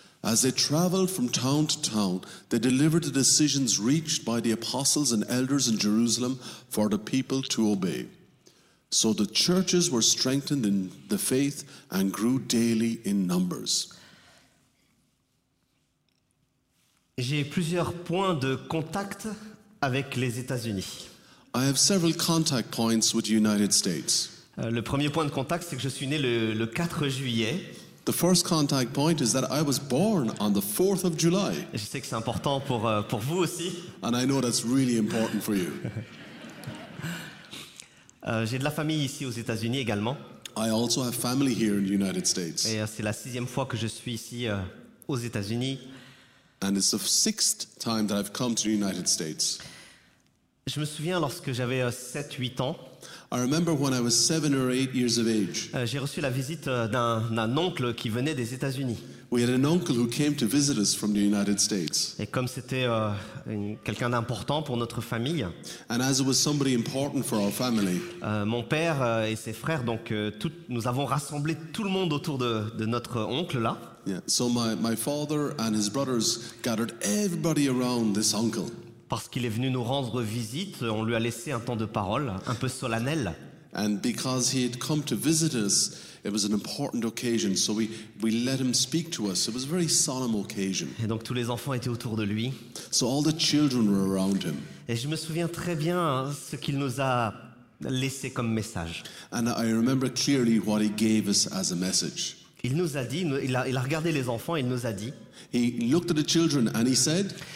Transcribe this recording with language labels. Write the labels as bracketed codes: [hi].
[en] As they traveled from town to town, they delivered the decisions reached by the apostles and elders in Jerusalem for the people to obey. So the churches were strengthened in the faith and grew daily in numbers. [fr] J'ai plusieurs points de contact avec les États-Unis. [en] I have several contact points with the United States. [fr] Le premier point de contact, c'est que je suis né le 4 juillet. [en] The first contact point is that I was born on the 4th of July. [fr] Et je sais que c'est important pour vous aussi. [en] And I know that's really important for you. [fr] J'ai de la famille ici aux États-Unis également. [en] I also have family here in the United States. [fr] Et c'est la sixième fois que je suis ici aux États-Unis. [en] And it's the sixth time that I've come to the United States. [fr] Je me souviens lorsque j'avais 7-8 ans. [en] I remember when I was 7 or 8 years of age. [fr] J'ai reçu la visite d'un oncle qui venait des États-Unis. [en] We had an uncle who came to visit us from the United States. [fr] Et comme c'était quelqu'un d'important pour notre famille. [en] And as it was somebody important for our family. [fr] Mon père et ses frères, donc nous avons rassemblé tout le monde autour de notre oncle là. Yeah. [en] So my father and his brothers gathered everybody around this uncle. [fr] Parce qu'il est venu nous rendre visite, on lui a laissé un temps de parole, un peu solennel. [en] And because he had come to visit us, it was an important occasion, so we let him speak to us. It was a very solemn occasion. [fr] Et donc tous les enfants étaient autour de lui. [en] So all the children were around him. [fr] Et je me souviens très bien ce qu'il nous a laissé comme message. [en] And I remember clearly what he gave us as a message. [fr] Il nous a dit, il a regardé les enfants, il nous a dit. [en] He looked at the children and he said.